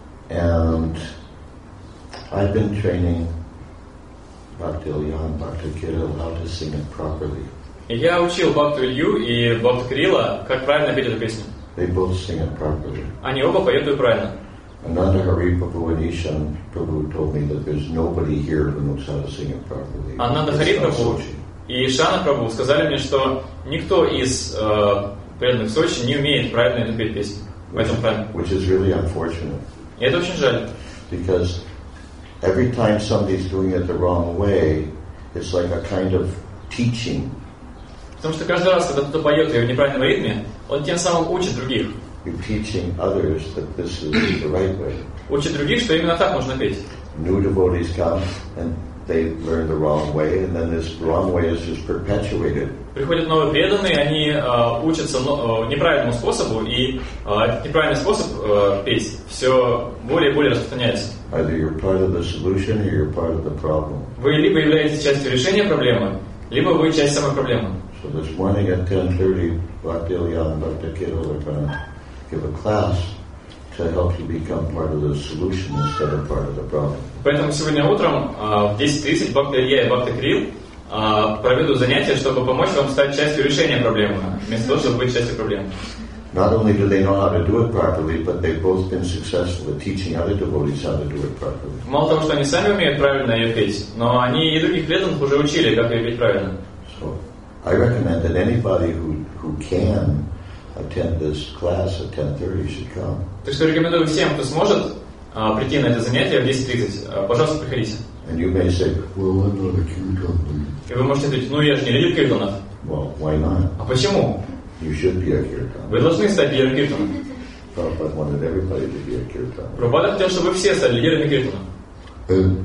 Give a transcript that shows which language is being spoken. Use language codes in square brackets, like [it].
[en] And I've been training Bhakti Ilyan, Bhakti Kirill how to sing it properly. [ru] Я учил Бхакту Илью и Бхакту Кирилла, как правильно петь эту песню. [en] They both sing it properly. [ru] Они оба поют ее правильно. [en] Ananda Hari Prabhu and Ishan Prabhu told me that there's nobody here who knows how to sing it properly. [ru] Ananda Hari Prabhu и Ishan Prabhu сказали мне, что никто из преданных Сочи не умеет правильно эту петь песню. [en] Which is really unfortunate. [ru] И это очень жаль. [en] Because every time somebody's doing it the wrong way, it's like a kind of teaching. [ru] Потому что каждый раз, когда кто-то поет ее в неправильном ритме, он тем самым учит других. [en] You're teaching others that this is the right way. [ru] Учит других, что именно так нужно петь. [en] New devotees come and they learn the wrong way, and then this wrong way is just perpetuated. [ru] Приходят новые преданные, они учатся неправильному способу, и этот неправильный способ петь все более и более распространяется. [en] Either you're part of the solution or you're part of the problem. [ru] Вы либо являетесь частью решения проблемы, либо вы часть самой проблемы. [en] So this morning at 10:30, Bhakti Ilyan and Bhakti Kirill are going to give a class to help you become part of the solution instead of part of the problem. [ru] Поэтому сегодня утром в 10:30 Бхакти Илья и Бхакти Кирилл проведут занятия, чтобы помочь вам стать частью решения проблемы, вместо того, чтобы быть частью проблемы. [en] Not only do they know how to do it properly, but they've both been successful at teaching other devotees how to do it properly. [ru] Мало того, что они сами умеют правильно ее петь, но они и других преданных уже учили, как ее петь правильно. [en] So, I recommend that anybody who can attend this class at 10:30 should come. [ru] Так что рекомендую всем, кто сможет прийти на это занятие в 10:30, пожалуйста, приходите. [en] And you may say, well, I'm not a kirtan. [ru] И вы можете ответить, ну я же не лидер киртанов. [en] Well, why not? [ru] А почему? [en] You should be a kirtan. [ru] Вы должны стать лидером киртан. [en] Prabhupada wanted everybody to be a kirtan. [ru] Прабхупада хотел, чтобы все стали лидерами киртана.